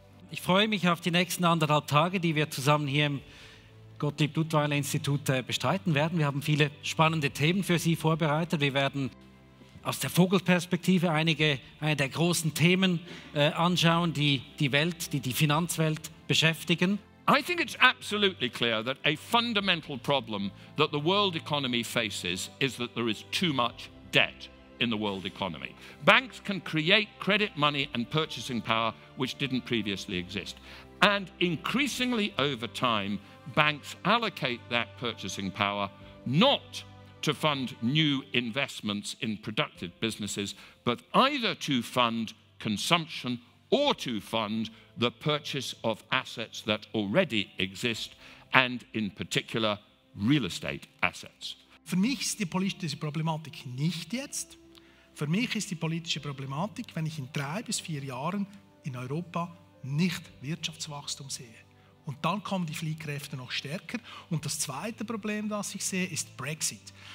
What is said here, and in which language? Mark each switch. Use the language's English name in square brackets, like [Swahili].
[German] Ich freue mich auf die nächsten anderthalb Tage, die wir zusammen hier im Gottlieb Duttweiler Institut bestreiten werden. Wir haben viele spannende Themen für Sie vorbereitet. Wir werden aus der Vogelperspektive eine der großen Themen anschauen, die die Welt, die Finanzwelt beschäftigen. [English] I think it's absolutely clear that a fundamental problem that the world economy faces is that there is too much debt in the world economy. Banks can create credit money and purchasing power which didn't previously exist. And increasingly over time, banks allocate that purchasing power not to fund new investments in productive businesses, but either to fund consumption or to fund the purchase of assets that already exist, and in particular, real estate assets. [German] Für mich ist die politische Problematik nicht jetzt. Für mich ist die politische Problematik, wenn ich in 3 bis 4 Jahren in Europa nicht Wirtschaftswachstum sehe. Und dann kommen die Fliehkräfte noch stärker. Und das zweite Problem, das ich sehe, ist Brexit.